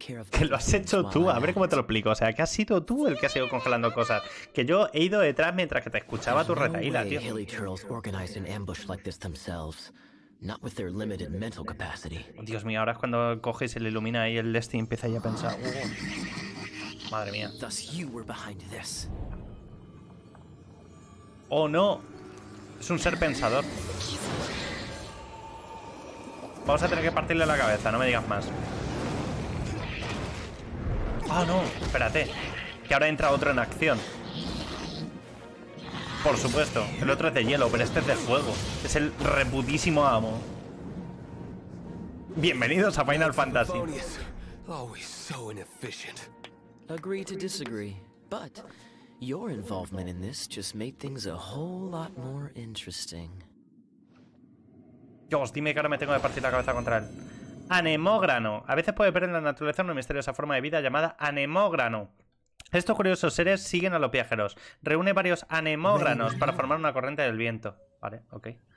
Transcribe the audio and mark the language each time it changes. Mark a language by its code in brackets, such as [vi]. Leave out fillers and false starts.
[es] Que lo has hecho tú, a ver cómo te lo explico. O sea, que has sido tú el que ha ido congelando cosas. Que yo he ido detrás mientras que te escuchaba tu retaíla, tío. [en] Hilly Turtles organized an ambush like this themselves. Not with their limited mental capacity. [es] Dios mío, ahora es cuando coge y se le ilumina y el Destiny empieza ahí a pensar. Madre mía. [en] Thus you were behind this. [es] Oh no. Es un ser pensador. Vamos a tener que partirle la cabeza, no me digas más. Ah, no, espérate. Que ahora entra otro en acción. Por supuesto, el otro es de hielo, pero este es de fuego. Es el reputísimo amo. Bienvenidos a Final Fantasy. [en] Always so inefficient. Agree to disagree, but your involvement in this just made things a whole lot more interesting. [es] Dios, dime que ahora me tengo que partir la cabeza contra él. Anemógrano. A veces puede ver en la naturaleza una misteriosa forma de vida llamada anemógrano. Estos curiosos seres siguen a los viajeros. Reúne varios anemógranos para formar una corriente del viento. Vale, ok.